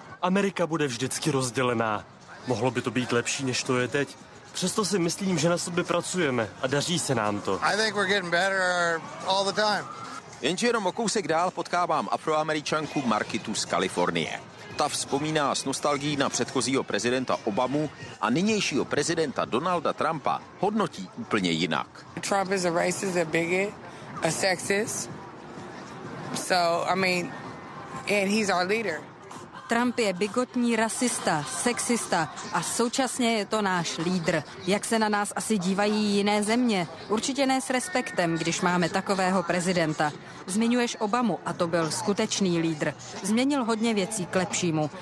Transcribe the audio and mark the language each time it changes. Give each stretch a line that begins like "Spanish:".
Czech: Amerika bude vždycky rozdělená. Mohlo by to být lepší, než to je teď. Přesto si myslím, že na sobě pracujeme a daří se nám to.
English: I think we're getting better all the time.
Czech: Jenže jenom o kousek dál potkávám Afroameričanku Markitu z Kalifornie. Ta vzpomíná s nostalgií na předchozího prezidenta Obamu a nynějšího prezidenta Donalda Trumpa hodnotí úplně jinak.
English: Trump is a racist, a bigot, a sexist. So, I mean, and he's our leader.
Czech: Trump je bigotní rasista, sexista a současně je to náš lídr. Jak se na nás asi dívají jiné země? Určitě ne s respektem, když máme takového prezidenta. Zmiňuješ Obamu a to byl skutečný lídr. Změnil hodně věcí k lepšímu.